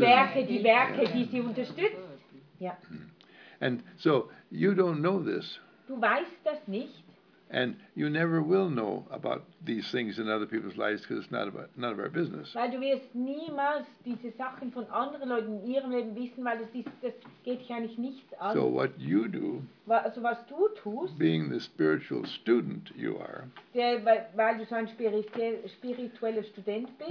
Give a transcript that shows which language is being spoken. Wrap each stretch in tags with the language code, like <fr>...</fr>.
<de>Werke, die sie unterstützt. Ja.</de> <en>And so you don't know this.</en> <de>Du weißt das nicht.</de> <en>And you never will know about these things in other people's lives because it's none of our business.</en> <de>Weil du wirst niemals diese Sachen von anderen Leuten in ihrem Leben wissen, weil das geht ja nicht nichts an.</de> <en>So what you do,</en> <de>also was du tust,</de> <en>being the spiritual student you are,</en> <de>weil du so ein spiritueller Student bist,</de>